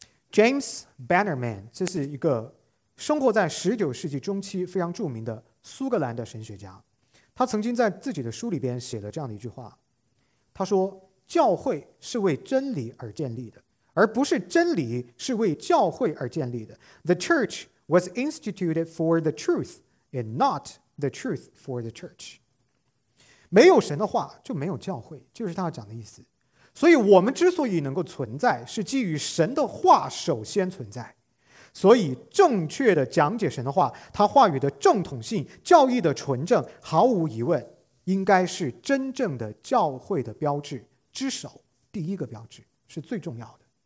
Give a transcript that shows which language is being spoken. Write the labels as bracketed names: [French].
[Chinese] James Bannerman 这是一个生活在十九世纪中期非常著名的苏格兰的神学家，他曾经在自己的书里边写了这样的一句话，他说，教会是为真理而建立的，而不是真理是为教会而建立的。 [English] The church was instituted for the truth and not the truth for the church. [Chinese] 没有神的话就没有教会，就是他讲的意思。所以我们之所以能够存在是基于神的话首先存在，所以正确的讲解神的话，他话语的正统性，教义的纯正，毫无疑问应该是真正的教会的标志之首，第一个标志是最重要的。